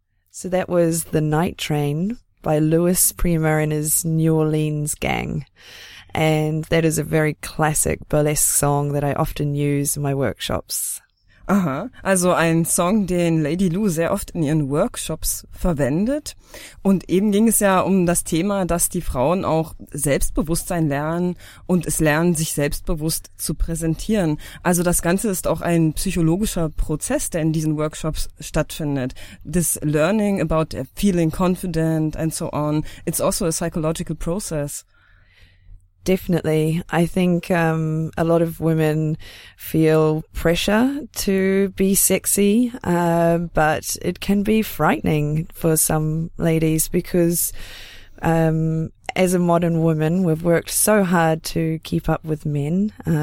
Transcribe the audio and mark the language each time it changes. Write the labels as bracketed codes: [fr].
[en] So that was The Night Train by Louis Primer and his New Orleans gang. And that is a very classic burlesque song that I often use in my workshops. [de] Aha, also ein Song, den Lady Lou sehr oft in ihren Workshops verwendet. Und eben ging es ja um das Thema, dass die Frauen auch Selbstbewusstsein lernen und es lernen, sich selbstbewusst zu präsentieren. Also das Ganze ist auch ein psychologischer Prozess, der in diesen Workshops stattfindet. [en] This learning about feeling confident and so on, it's also a psychological process. Definitely. I think a lot of women feel pressure to be sexy, but it can be frightening for some ladies because as a modern woman, we've worked so hard to keep up with men.